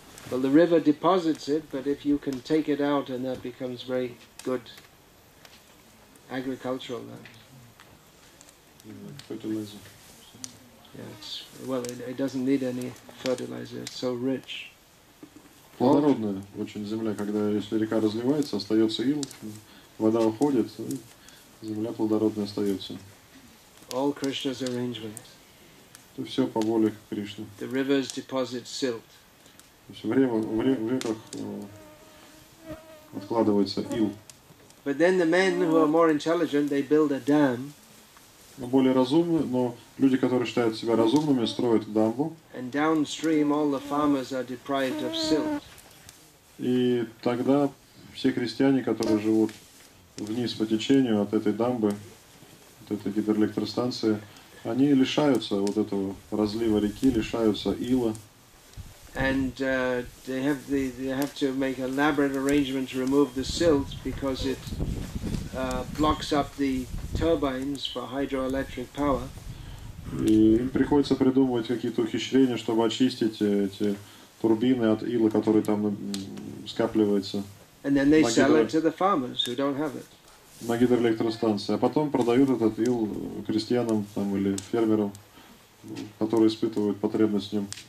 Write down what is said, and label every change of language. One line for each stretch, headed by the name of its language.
English: Well, the river deposits it, but if you can take it out, and that becomes very good agricultural land. Fertilizer. Yeah, it's, well, it doesn't need any fertilizer. It's so rich.
Russian: Плодородная очень земля, когда если река разливается, остается ил, вода уходит, земля плодородная остается.
English: All Krishna's arrangement.
Russian: То все по воле Кришны.
English: The rivers deposit silt.
Russian: То есть в реках откладывается ил.
English: But then the men who are more intelligent, they build a dam.
Russian: Но более разумные, но люди, которые считают себя разумными, строят дамбу.
English: And downstream, all the farmers are deprived of silt.
Russian: И тогда все крестьяне, которые живут вниз по течению от этой дамбы, от этой гидроэлектростанции, они лишаются вот этого разлива реки, лишаются ила.
English: And they have to make elaborate arrangement to remove the silt because it blocks up the turbines for hydroelectric power.
Russian: И им приходится придумывать какие-то ухищрения, чтобы очистить эти турбины от ила, который там скапливается.
English: And then they sell it to the farmers who don't have it.
Russian: На гидроэлектростанции, а потом продают этот ил крестьянам там или фермерам, которые испытывают потребность в нем.